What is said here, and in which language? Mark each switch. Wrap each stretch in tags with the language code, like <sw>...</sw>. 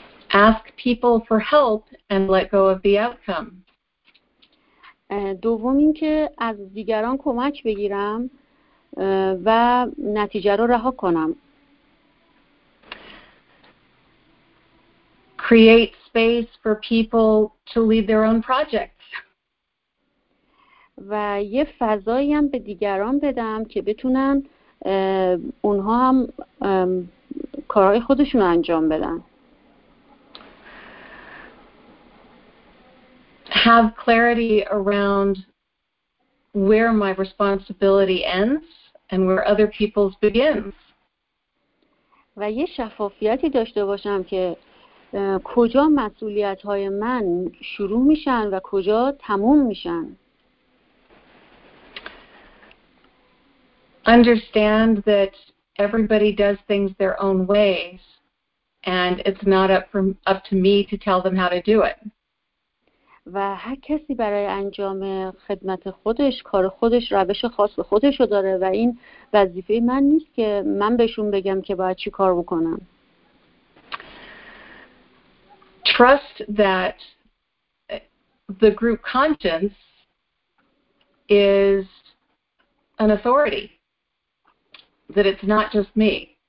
<en>Ask people for help and let go of the outcome.</en> <fa>دوم این که از دیگران کمک بگیرم و نتیجه رو رها کنم.</fa> <en>Create space for people to lead their own projects.</en> <fa>و یه فضایی هم به دیگران بدم که بتونن اونها هم کارهای خودشون رو انجام بدن.</fa> <en>Have clarity around where my responsibility ends and where other people's begins.</en> <fa>و یه شفافیتی داشته باشم که کجا مسئولیت‌های من شروع میشن و کجا تموم میشن.</fa> <en>Understand that everybody does things their own ways and it's not up to me to tell them how to do it.</en> <fa>و هر کسی برای انجام خدمت خودش، کار خودش، روش خاص خودشو داره و این وظیفه من نیست که من بهشون بگم که باید چی کار بکنم.</fa> <en>Trust that the group conscience is an authority, that it's not just me.</en>